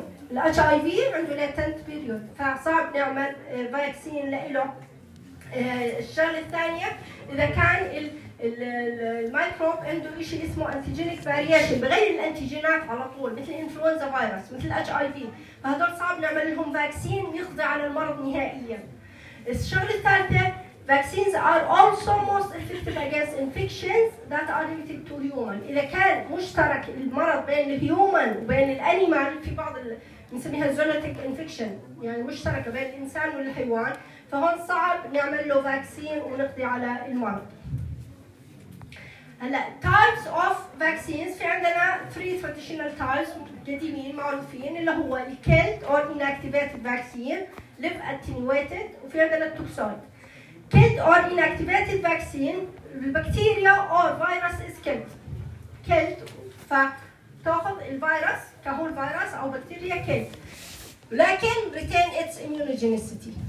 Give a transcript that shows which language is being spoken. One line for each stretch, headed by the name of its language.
Arabic: الـ HIV عنده latent period فصعب نعمل فاكسين لإله. الشغلة الثانية إذا كان الميكروب عنده إشي اسمه
English: antigenic variation
Arabic: بغير الأنتيجينات على طول مثل إنفلونزا فيروس مثل HIV فهذول صعب نعمل لهم فاكسين يقضي على المرض نهائيا. الشغلة الثالثة
English: vaccines are also most effective against infections that are related to human.
Arabic: إذا كان مشترك المرض بين الهيومن وبين الأنيمال في بعض نسميها
English: zoonotic infection
Arabic: يعني مشتركة بين الإنسان والحيوان فهون صعب نعمل له فاكسين ونقضي على المرض.
English: هلا types of vaccines
Arabic: في عندنا
English: three traditional types
Arabic: قديمين معروفين اللي هو
English: killed or inactivated vaccine live attenuated
Arabic: وفي عندنا
English: toxoid. Killed or inactivated vaccine, bacteria or virus is killed.
Arabic: Killed, فتأخذ الفيروس كهو الفيروس أو بكتيريا killed. لكن
English: retain its immunogenicity.